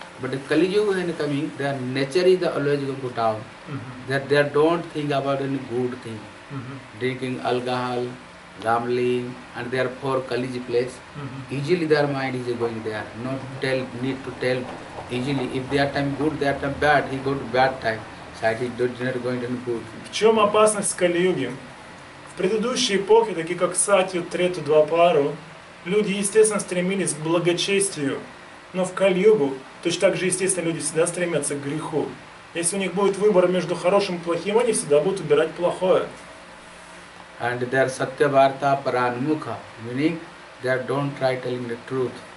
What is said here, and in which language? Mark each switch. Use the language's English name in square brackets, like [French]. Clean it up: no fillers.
[English] But the Kali Yuga when coming, their nature is the always go down. Mm-hmm. They don't think about any good thing. Mm-hmm. Drinking alcohol, gambling, and their poor Kali Yuga place. Mm-hmm. Easily their mind is going there. No need to tell easily. If their time good, their time bad, he go to bad time. [Russian] В чем опасность Кали-юги? В предыдущие эпохи, такие как Сатью, Трету, Двапару, люди, естественно, стремились к благочестию. Но в Кали-югу, точно так же, естественно, люди всегда стремятся к греху. Если у них будет выбор между хорошим и плохим, они всегда будут убирать плохое. [English] And they are [Sanskrit] satya varta paranmukha, [English] meaning they don't try telling the truth.